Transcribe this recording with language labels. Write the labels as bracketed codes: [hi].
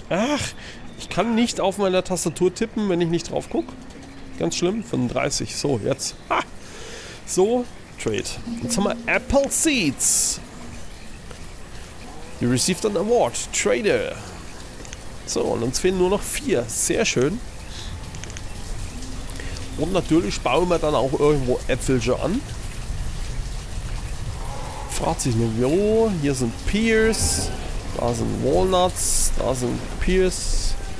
[de] Ach, ich kann nicht auf meiner Tastatur tippen, wenn ich nicht drauf gucke. Ganz schlimm, 35. So, jetzt. Ha. So, Trade. Jetzt haben wir Apple Seeds. [en] You received an award, Trader. [de] So, und uns fehlen nur noch 4. Sehr schön. Und natürlich bauen wir dann auch irgendwo Äpfel schon an. Fragt sich nur, wo? Hier sind Pears. Da sind Walnuts. Da sind Pears.